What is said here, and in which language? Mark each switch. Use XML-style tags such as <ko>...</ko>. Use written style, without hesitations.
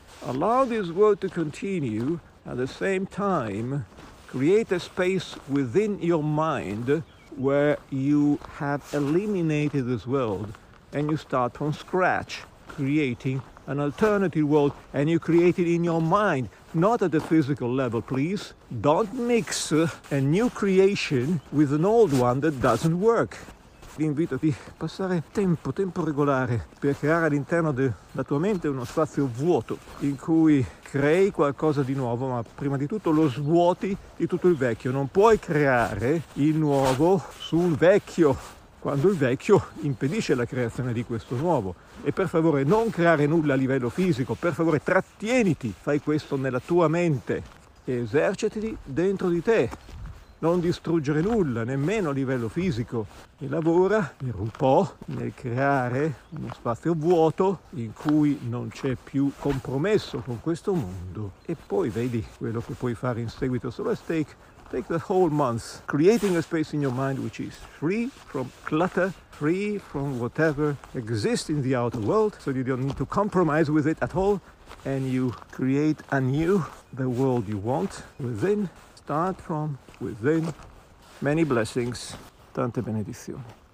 <en>Allow this world to continue, at the same time, create a space within your mind where you have eliminated this world and you start from scratch, creating an alternative world, and you create it in your mind, not at the physical level, please. Don't mix a new creation with an old one that doesn't work.</en> <it>Vi invito a passare tempo regolare per creare all'interno della tua mente uno spazio vuoto in cui crei qualcosa di nuovo, ma prima di tutto lo svuoti di tutto il vecchio. Non puoi creare il nuovo sul vecchio quando il vecchio impedisce la creazione di questo nuovo. E per favore non creare nulla a livello fisico, per favore trattieniti, fai questo nella tua mente, esercitati dentro di te. Non distruggere nulla, nemmeno a livello fisico. E lavora per un po' nel creare uno spazio vuoto in cui non c'è più compromesso con questo mondo. E poi vedi quello che puoi fare in seguito.</it> <en>So let's take the whole month creating a space in your mind which is free from clutter, free from whatever exists in the outer world, so you don't need to compromise with it at all, and you create anew the world you want within. Start from within. Many blessings.</en> <it>Tante benedizioni.</it>